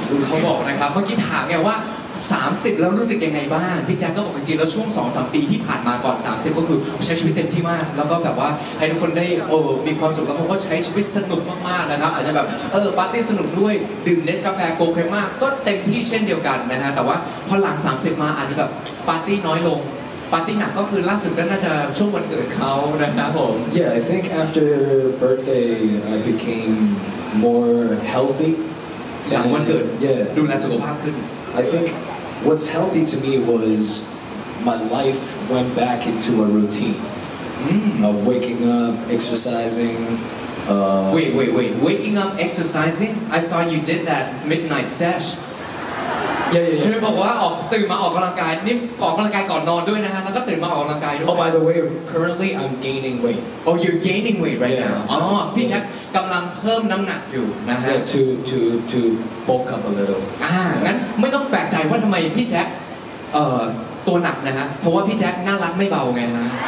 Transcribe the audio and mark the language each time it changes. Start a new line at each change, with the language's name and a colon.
Thai: เขาบอกนะครับเมื่อกี้ถามไงว่า30แล้วรู้สึกยังไงบ้างพี่แจ็คก็บอกจริงๆแล้วช่วง 2-3 ปีที่ผ่านมาก่อน30ก็คือใช้ชีวิตเต็มที่มากแล้วก็แบบว่าให้ทุกคนได้มีความสุขแล้วเขาก็ใช้ชีวิตสนุกมากๆนะครับอาจจะแบบปาร์ตี้สนุกด้วยดื่มเนสกาแฟโกเครมาก็เต็มที่เช่นเดียวกันนะฮะแต่ว่าพอหลัง30มาอาจจะแบบปาร์ตี้น้อยลงปาร์ตี้หนักก็คือล่าสุดก็น่าจะช่วงวันเกิดเขานะครับผม
English: Yeah I think after birthday I became more healthy
Thai: หลังวันเกิดดูแลสุขภาพขึ้น
English: I think what's healthy to me was my life went back into a routine of waking up, exercising. Wait. Waking up, exercising? I saw you did that midnight sesh. Yeah. He said, "Wake up, wake up, exercise. This is exercise before bed, too. And then wake up, exercise." Oh, by the way, currently I'm gaining weight. Oh, you're gaining weight right now.
Thai: Oh, Pichak, กำลังเพิ่มน้ำหนักอยู่นะฮะ
English: to bulk up a little.
Thai: งั้นไม่ต้องแปลกใจว่าทำไมพี่แจ็คตัวหนักนะฮะเพราะว่าพี่แจ็คน่ารักไม่เบาไงฮะ